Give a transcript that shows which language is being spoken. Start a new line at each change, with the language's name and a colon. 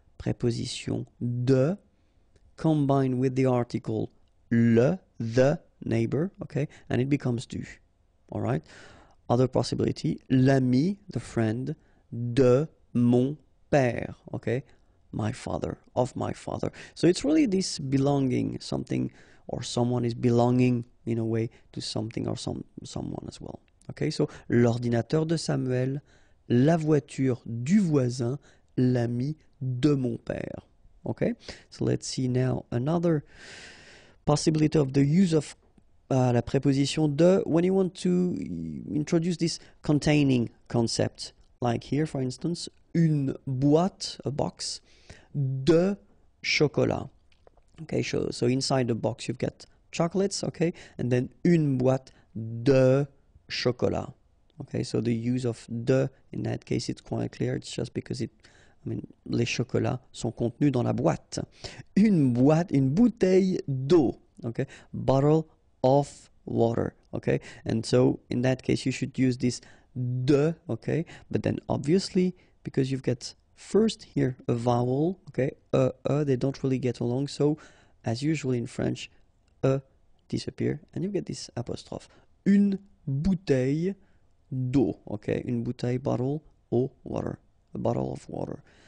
English: preposition de, combined with the article le, the neighbor, okay, and it becomes du. All right. Other possibility, l'ami, the friend,
French: de mon père,
English: okay, my father, of my father. So it's really this belonging, something or someone is belonging in a way to something or someone as well.
French: Okay, so l'ordinateur de Samuel, la voiture du voisin, l'ami de mon père.
English: Okay, so let's see now another possibility of the use of
French: la préposition de
English: when you want to introduce this containing concept. Like here, for instance,
French: une boîte,
English: a box, de chocolat. Okay, so inside the box you've got chocolates, okay, and then
French: une boîte de chocolat.
English: Okay, so the use of de in that case it's quite clear. It's just because
French: les chocolats sont contenus dans la boîte. Une boîte, une bouteille d'eau. Okay,
English: bottle of water. Okay, and so in that case you should use this de. Okay, but then obviously because you've got first here a vowel. Okay, they don't really get along. So as usual in French, disappear and you get this apostrophe.
French: Une bouteille d'eau,
English: okay, une bouteille, bottle, eau, water, a bottle of water.